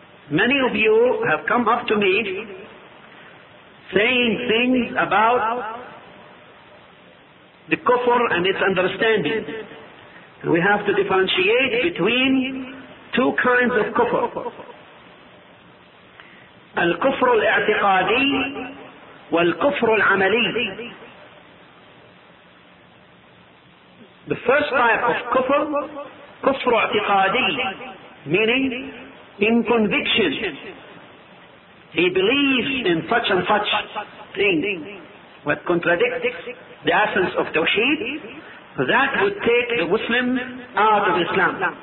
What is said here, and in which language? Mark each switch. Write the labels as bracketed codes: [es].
[en] Many of you have come up to me saying things about the kufr and its understanding. We have to differentiate between two kinds of kufr. [ar] الكفر الاعتقادي والكفر العملي. [en] The first type of kufr, كفر اعتقادي, meaning in conviction. He believes in such and such thing that contradicts the essence of tawheed, that would take the Muslim out of Islam.